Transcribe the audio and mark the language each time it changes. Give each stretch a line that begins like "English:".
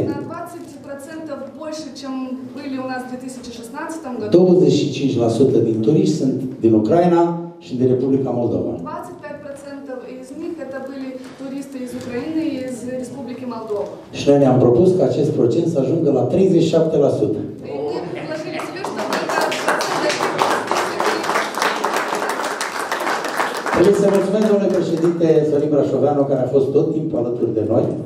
Romanian: 20% mai mulți decât am avut cu un an înainte, vaccinați, stăm gătiți. 25% din turiști sunt din Ucraina și din Republica Moldova.
Russian: 25% din них это были туристы из Украины и из Республики Молдова.
Romanian: Și noi ne-am propus ca acest procent să ajungă la 37%. Trebuie să mulțumesc, domnule președinte Sorin Brașoveanu, care a fost tot timpul alături de noi.